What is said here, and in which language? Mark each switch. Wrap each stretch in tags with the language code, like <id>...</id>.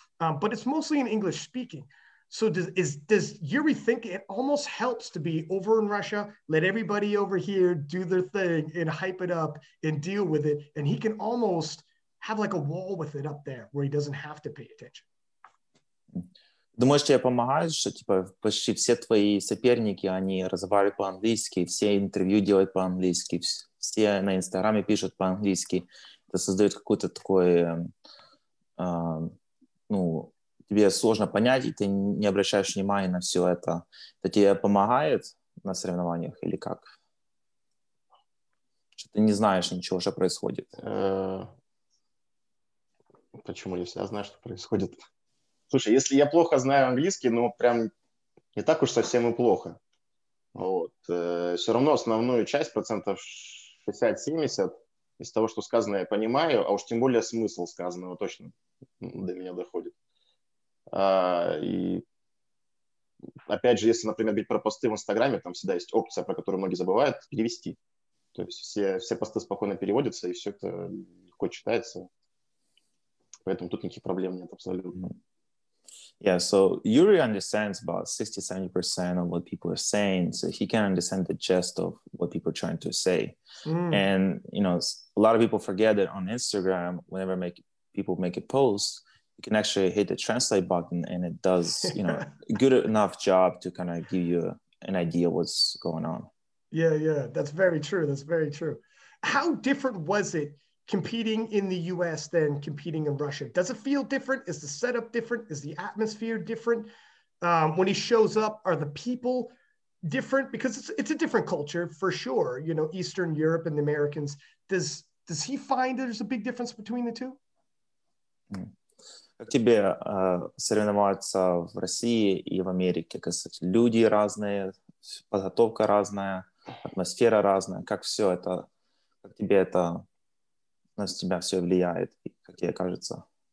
<en>But it's mostly in English speaking. So does Yuri think it almost helps to be over in Russia, let everybody over here do their thing and hype it up and deal with it? And he can almost have like a wall with it up there where he doesn't have to pay attention.</en> <ru>Думаешь, что я помогаю, что типа почти все твои соперники, они разговаривают по-английски, все интервью делают по-английски, все на Инстаграме пишут по-английски. Это создает какой-то такой, ну, тебе сложно понять, и ты не обращаешь внимания на все это. Это тебе помогает на соревнованиях или как? Что ты не знаешь ничего, что происходит? Почему я всегда знаю, что происходит? Слушай, если я плохо знаю английский, ну, прям не так уж совсем и плохо. Вот. Все равно основную часть, процентов 60-70, из того, что сказано, я понимаю, а уж тем более смысл сказанного точно до меня доходит. И опять же, если, например, бить про посты в Инстаграме, там всегда есть опция, про которую многие забывают, перевести. То есть все посты спокойно переводятся, и все это легко читается. Поэтому тут никаких проблем нет абсолютно.</ru> <en>Yeah, so Yuri understands about 60-70% of what people are saying, so he can understand the gist of what people are trying to say. Mm. And, you know, a lot of people forget that on Instagram, whenever people make a post, you can actually hit the translate button and it does, you know, a good enough job to kind of give you an idea of what's going on. Yeah, that's very true. How different was it competing in the US than competing in Russia? Does it feel different? Is the setup different? Is the atmosphere different? When he shows up, are the people different? Because it's a different culture for sure. You know, Eastern Europe and the Americans. Does he find there's a big difference between the two?</en> <ru>Как тебе соревноваться в России и в Америке? Люди разные, подготовка разная, атмосфера разная. Как все это, как тебе это, на тебя все влияет, как тебе кажется?</ru>